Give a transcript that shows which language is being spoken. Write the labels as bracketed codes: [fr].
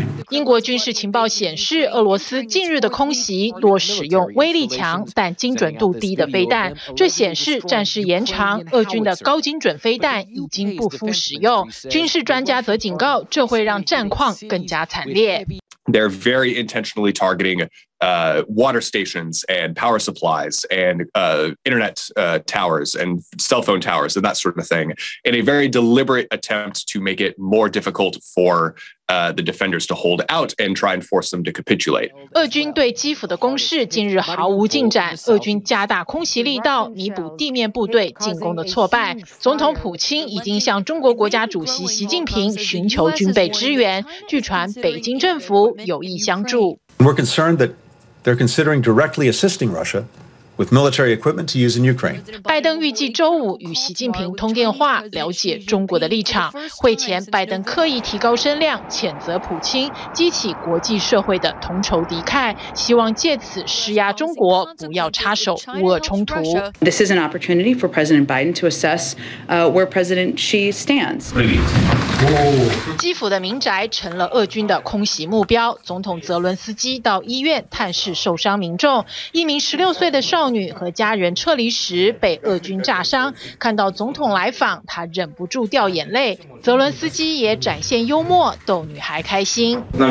[zh] 英国军事情报显示，俄罗斯近日的空袭多使用威力强但精准度低的飞弹，这显示战事延长，俄军的高精准飞弹已经不敷使用。军事专家则警告，这会让战况更加惨烈。 [en] They're very intentionally targeting water stations and power supplies and internet towers and cell phone towers and that sort of thing in a very deliberate attempt to make it more difficult for the defenders to hold out and try and force them to capitulate. [zh] 俄军对基辅的攻势近日毫无进展，俄军加大空袭力道，弥补地面部队进攻的挫败。总统普京已经向中国国家主席习近平寻求军备支援，据传北京政府有意相助。 [en] We're concerned that they're considering directly assisting Russia with military equipment to use in Ukraine. [zh] 拜登预计周五与习近平通电话，了解中国的立场。会前，拜登刻意提高声量，谴责普京，激起国际社会的同仇敌忾，希望借此施压中国，不要插手乌俄冲突。 [en] This is an opportunity for President Biden to assess where President Xi stands. [zh] 基辅的民宅成了俄军的空袭目标。总统泽伦斯基到医院探视受伤民众，一名16岁的少女和家人撤离时被俄军炸伤，看到总统来访，她忍不住掉眼泪。泽伦斯基也展现幽默，逗女孩开心。